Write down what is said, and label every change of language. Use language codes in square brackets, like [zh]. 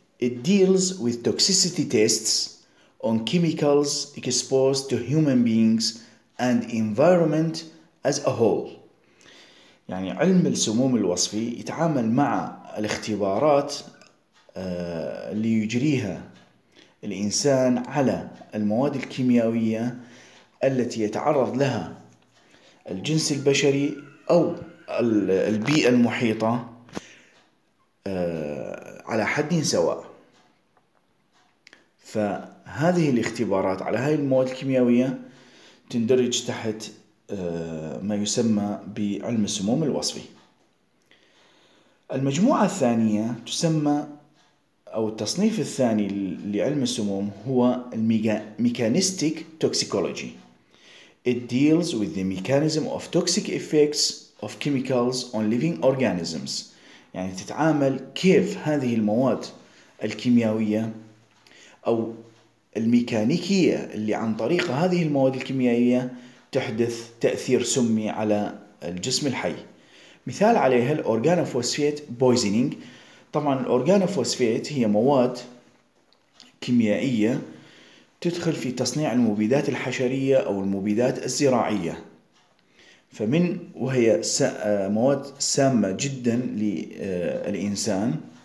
[en] It deals with toxicity tests on chemicals exposed to human beings and environment as a whole. [ar] يعني علم السموم الوصفي يتعامل مع الاختبارات ليجريها الإنسان على المواد الكيميائية التي يتعرض لها الجنس البشري أو البيئة المحيطة على حد سواء. فهذه الاختبارات على هذه المواد الكيميائية تندرج تحت ما يسمى بعلم السموم الوصفي. المجموعة الثانية تسمى أو التصنيف الثاني لعلم السموم هو الميكانيستيك توكسيكولوجي. [en] It deals with the mechanism of toxic effects of chemicals on living organisms. [ar] يعني تتعامل كيف هذه المواد الكيميائية أو الميكانيكية اللي عن طريق هذه المواد الكيميائية تحدث تأثير سمي على الجسم الحي. مثال عليها الأورغانوفوسفيت بويزنينج. طبعا الأورغانوفوسفيت هي مواد كيميائية تدخل في تصنيع المبيدات الحشرية أو المبيدات الزراعية، فمن وهي مواد سامة جدا للإنسان.